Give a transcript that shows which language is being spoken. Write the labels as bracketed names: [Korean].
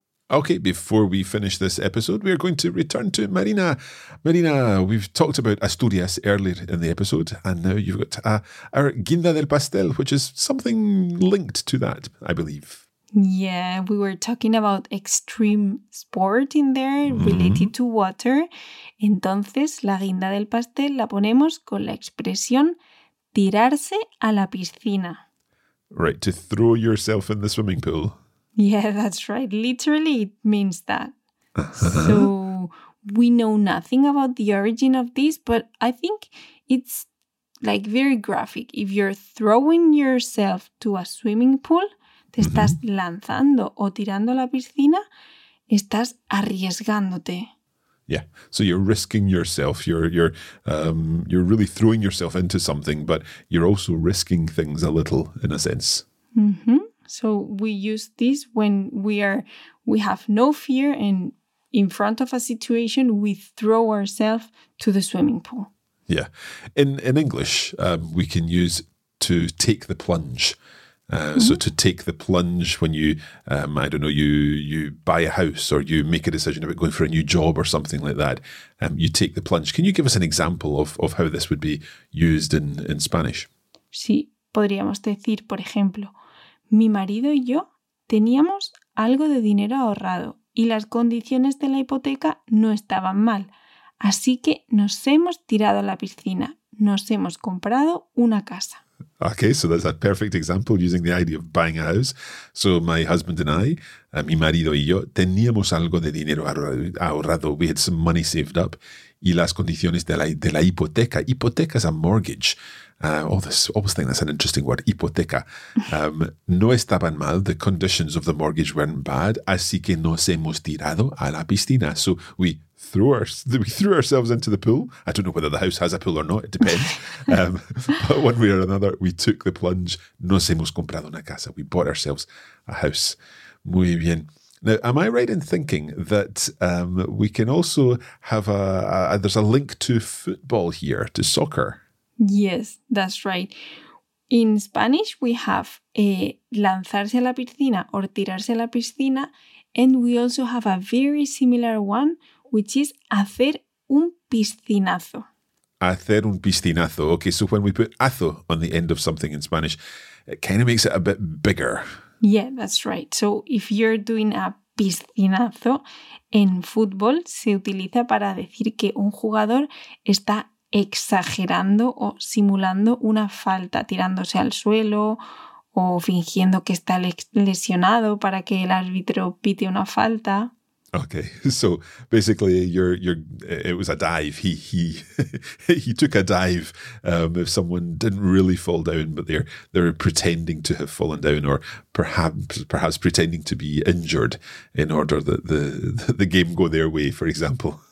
[English] Okay, before we finish this episode, we are going to return to Marina. Marina, we've talked about Asturias earlier in the episode, and now you've got our Guinda del Pastel, which is something linked to that, I believe. Yeah, we were talking about extreme sport in there related to water. [Spanish] Entonces, la guinda del pastel la ponemos con la expresión tirarse a la piscina. [English] Right, to throw yourself in the swimming pool. Yeah, that's right. Literally, it means that. So, we know nothing about the origin of this, but I think it's like very graphic. If you're throwing yourself to a swimming pool, [Spanish] te estás lanzando o tirando a la piscina, estás arriesgándote. [English] Yeah, so you're risking yourself. You're really throwing yourself into something, but you're also risking things a little, in a sense. Mm-hmm. So we use this when we have no fear, and in front of a situation, we throw ourselves to the swimming pool. Yeah, in English, we can use to take the plunge. So to take the plunge when you, I don't know, you buy a house or you make a decision about going for a new job or something like that, you take the plunge. Can you give us an example of how this would be used in Spanish? [Spanish] Sí, podríamos decir, por ejemplo, mi marido y yo teníamos algo de dinero ahorrado y las condiciones de la hipoteca no estaban mal, así que nos hemos tirado a la piscina, nos hemos comprado una casa. [English] Okay, so that's a perfect example using the idea of buying a house. So my husband and I, [Spanish] mi marido y yo, teníamos algo de dinero ahorrado. [English] We had some money saved up. [Spanish] Y las condiciones de la hipoteca. [English] Hipoteca is a mortgage. Always think that's an interesting word, hipoteca. [Spanish] No estaban mal. [English] The conditions of the mortgage weren't bad. [Spanish] Así que nos hemos tirado a la piscina. [English] So we threw ourselves into the pool. I don't know whether the house has a pool or not. It depends. but one way or another, we took the plunge. [Spanish] Nos hemos comprado una casa. [English] We bought ourselves a house. [Spanish] Muy bien. [English] Now, am I right in thinking that we can also have there's a link to football here, to soccer? Yes, that's right. In Spanish, we have [Spanish] lanzarse a la piscina [English] or [Spanish] tirarse a la piscina. [English] And we also have a very similar one, which is [Spanish] hacer un piscinazo. Hacer un piscinazo. [English] Okay, so when we put azo on the end of something in Spanish, it kind of makes it a bit bigger. Yeah, that's right. So if you're doing a piscinazo [Spanish] en fútbol, se utiliza para decir que un jugador está exagerando o simulando una falta, tirándose al suelo o fingiendo que está lesionado para que el árbitro pite una falta. [English] Okay, so basically, it was a dive. He he took a dive. If someone didn't really fall down, but they're pretending to have fallen down, or perhaps pretending to be injured in order that the game go their way, for example.